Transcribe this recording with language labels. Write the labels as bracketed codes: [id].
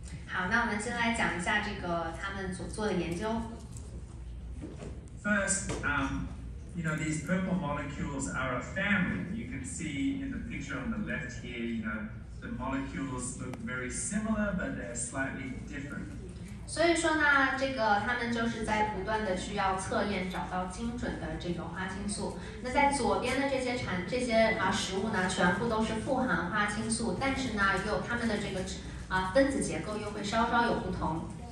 [zh] 好，那我们先来讲一下这个他们所做的研究。 [en] First, you know, these purple molecules are a family. You can see in the picture on the left here, you know, the molecules look very similar, but they're slightly different. [zh] 所以说呢，这个他们就是在不断的需要测验，找到精准的这个花青素。那在左边的这些食物呢，全部都是富含花青素，但是呢，又他们的这个分子结构又会稍稍有不同。